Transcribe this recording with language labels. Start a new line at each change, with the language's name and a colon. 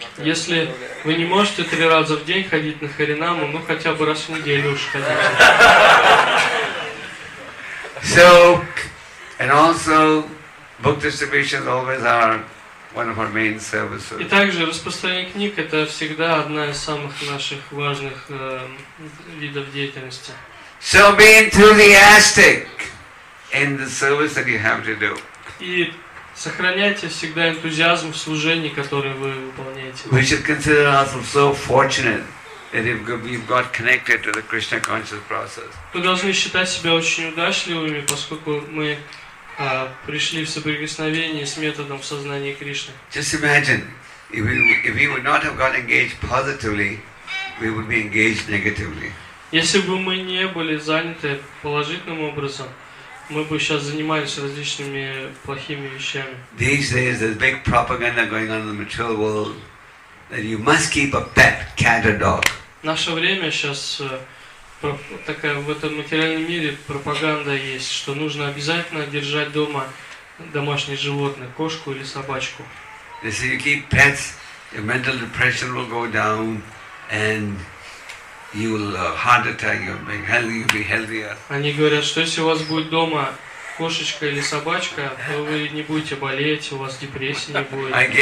Russian: Если вы не можете 3 раза в день ходить на Харинаму, ну хотя бы раз в неделю уж ходите.
English: So, and also, book distributions always are one of our main services.
Russian: И также распространение книг — это всегда одна из самых наших важных видов деятельности.
English: So be enthusiastic in the service that you have to do.
Russian: И сохраняйте всегда энтузиазм в служении, которое вы выполняете.
English: We should consider ourselves so fortunate that we've got connected to the Krishna conscious process.
Russian: Мы должны считать себя очень удачливыми, поскольку мы пришли в соприкосновение с методом сознания Кришны.
English: Just imagine, if we would not have got engaged positively, we would be engaged negatively.
Russian: Если бы мы не были заняты положительным образом, мы бы сейчас занимались различными плохими вещами.
English: These days there's big propaganda going on in the material world that you must keep a pet cat or dog.
Russian: Наше время сейчас такая в этом материальном мире пропаганда есть, что нужно обязательно держать дома домашнее животное, кошку или собачку. Если
English: you keep pets, your mental depression will go down and you'll heart attack, you'll be healthier.
Russian: Они говорят, что если у вас будет дома кошечка или собачка, то вы не будете болеть, у вас депрессии не будет.